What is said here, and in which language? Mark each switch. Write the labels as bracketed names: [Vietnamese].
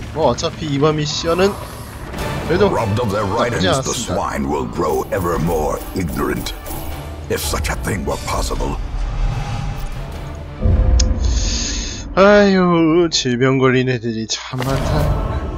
[Korean] 뭐 어차피 이번 미션은 그래도 [English] robbed of their writings, the swine will grow ever more ignorant. If such a thing were possible. [Korean] 아유, 질병 걸린 애들이 참 많다.